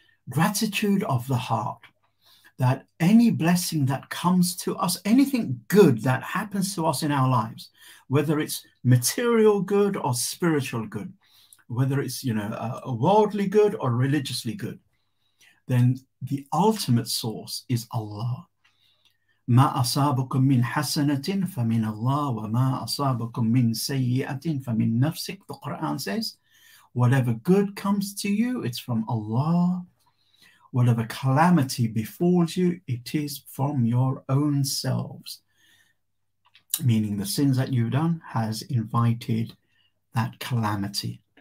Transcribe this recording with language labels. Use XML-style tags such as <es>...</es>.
<en>Gratitude of the heart, that any blessing that comes to us, anything good that happens to us in our lives, whether it's material good or spiritual good, whether it's, you know, a worldly good or religiously good, then the ultimate source is Allah.</en> <ar>ما أصابكم من حسنة فمن الله وما أصابكم من سيئة فمن نفسك.</ar> <en>The Quran says, whatever good comes to you, it's from Allah. Whatever calamity befalls you, it is from your own selves. Meaning the sins that you've done has invited that calamity.</en>